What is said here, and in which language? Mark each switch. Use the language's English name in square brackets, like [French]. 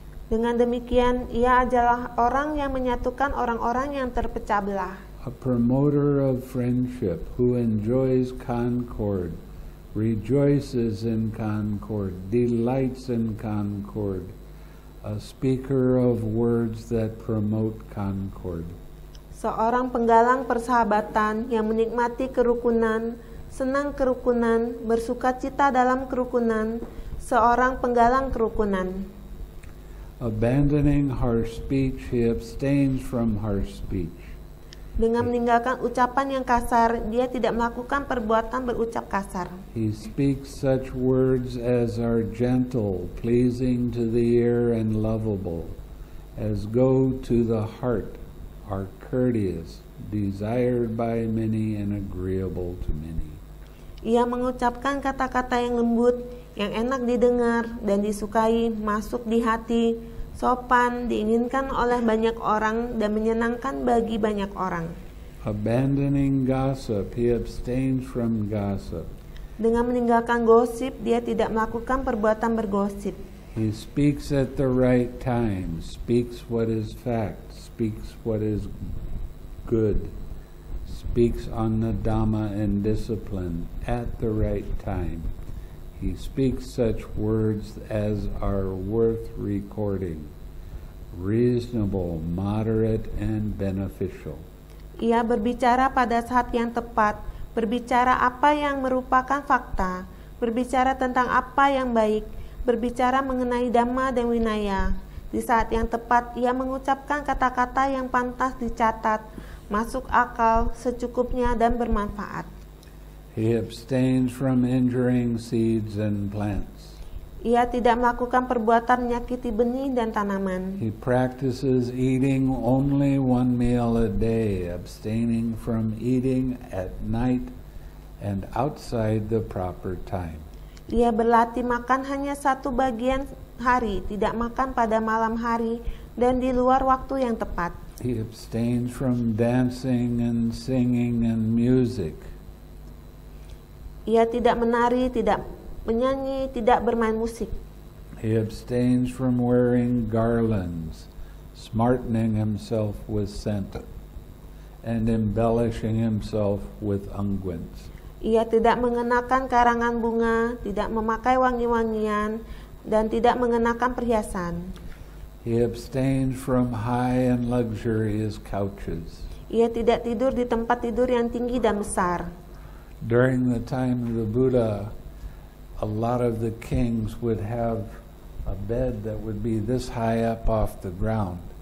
[Indonesian] Dengan demikian, ia adalah orang yang menyatukan orang-orang yang terpecah belah. [English] A promoter of friendship who enjoys concord, rejoices in concord, delights in concord. A speaker of words that promote concord. [Indonesian] Seorang penggalang persahabatan yang menikmati kerukunan, senang kerukunan, bersuka cita dalam kerukunan, seorang penggalang kerukunan. [English] Abandoning harsh speech, he abstains from harsh speech. [Indonesian] Dengan meninggalkan ucapan yang kasar, dia tidak melakukan perbuatan berucap kasar. [English] He speaks such words as are gentle, pleasing to the ear and lovable, as go to the heart, are courteous, desired by many and agreeable to many. [Indonesian] Ia mengucapkan kata-kata yang lembut, yang enak didengar dan disukai, masuk di hati, sopan, diinginkan oleh banyak orang dan menyenangkan bagi banyak orang. [English] Abandoning gossip, he abstains from gossip. [Indonesian] Dengan meninggalkan gosip, dia tidak melakukan perbuatan bergosip. [English] He speaks at the right time, speaks what is fact, speaks what is good. Speaks on the Dhamma and discipline at the right time. He speaks such words as are worth recording, reasonable, moderate, and beneficial. [Indonesian] Ia berbicara pada saat yang tepat, berbicara apa yang merupakan fakta, berbicara tentang apa yang baik, berbicara mengenai Dhamma dan Winaya. Di saat yang tepat, ia mengucapkan kata-kata yang pantas dicatat, masuk akal, secukupnya, dan bermanfaat. [English] He abstains from injuring seeds and plants. [Indonesian] Ia tidak melakukan perbuatan menyakiti benih dan tanaman. [English] He practices eating only one meal a day, abstaining from eating at night and outside the proper time. [Indonesian] Ia berlatih makan hanya satu bagian hari, tidak makan pada malam hari dan di luar waktu yang tepat. [English] He abstains from dancing and singing and music. [Indonesian] Ia tidak menari, tidak menyanyi, tidak bermain musik. [English] He abstains from wearing garlands, smartening himself with scent, and embellishing himself with unguents. [Indonesian] Ia tidak mengenakan karangan bunga, tidak memakai wangi-wangian, dan tidak mengenakan perhiasan. [English] He abstains from high and luxurious couches. [Indonesian] Ia tidak tidur di tempat tidur yang tinggi dan besar. [English] During the time of the Buddha, a lot of the kings would have a bed that would be this high up off the ground.